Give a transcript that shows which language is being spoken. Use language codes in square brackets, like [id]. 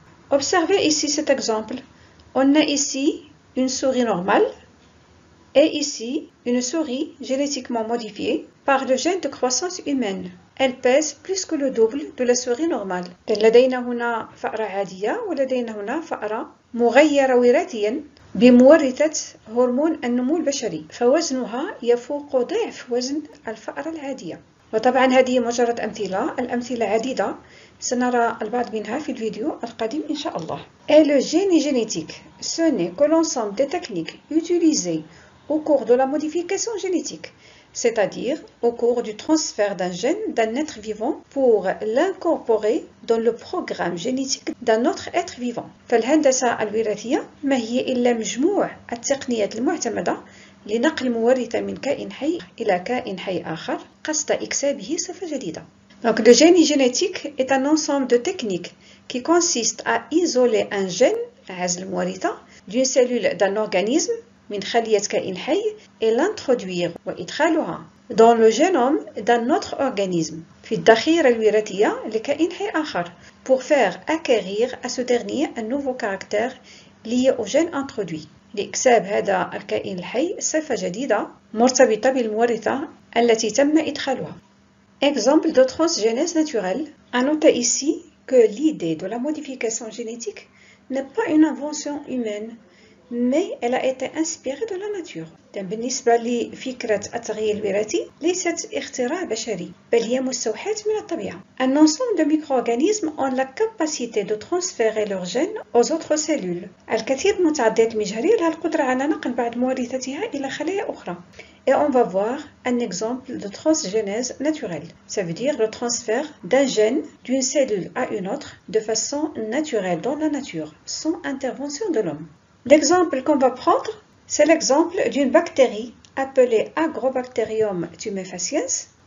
[fr] Observez ici cet exemple. On a ici une souris normale. Et ici, une souris génétiquement modifiée par le gène de croissance humaine. Elle pèse plus que le double de la souris normale. [ar] لدينا هنا فأرة عادية ولدينا هنا فأرة مغيرة وراثيا بمورثة هرمون النمو البشري. فوزنها يفوق ضعف وزن الفأرة العادية. وطبعا هذه مجرد أمثلة. الأمثلة عديدة. سنرى البعض منها في الفيديو القادم إن شاء الله. [fr] Et le génie génétique, ce n'est que l'ensemble des techniques utilisées au cours de la modification génétique, c'est-à-dire au cours du transfert d'un gène d'un être vivant pour l'incorporer dans le programme génétique d'un autre être vivant. [ar] فالهندسة الوراثية ما هي إلا مجموع التقنيات المعتمدة لنقل المورث من كائن حي إلى كائن حي آخر قصد إكسابه صفة جديدة. [fr] Donc le génie génétique est un ensemble de techniques qui consiste à isoler un gène, [ar] عزل المورث, [fr] d'une cellule d'un organisme [ar] من خلية كائن حي [fr] et l'introduire [ar] وإدخالها [fr] dans le génome d'un autre organisme [ar] في الذخيرة الوراثية لكائن حي آخر [fr] pour faire acquérir à ce dernier un nouveau caractère lié au gène introduit [ar] لإكساب هذا الكائن الحي صفة جديدة مرتبطة بالمورثة التي تم إدخالها. [fr] Exemple de transgénèse naturelle. À noter ici que l'idée de la modification génétique n'est pas une invention humaine mais elle a été inspirée de la nature. [ar] بالنسبة لفكرة التغيير الوراثي ليست اختراع بشري بل هي مستوحاة من الطبيعة. [fr] Un ensemble de micro-organismes ont la capacité de transférer leurs gènes aux autres cellules. [ar] الكثير من التعديات المجهرية لها القدرة على نقل بعض مورثاتها إلى خلايا أخرى. [fr] Et on va voir un exemple de transgénèse naturelle. Ça veut dire le transfert d'un gène d'une cellule à une autre de façon naturelle dans la nature, sans intervention de l'homme. L'exemple qu'on va prendre, c'est l'exemple d'une bactérie appelée Agrobacterium tumefaciens.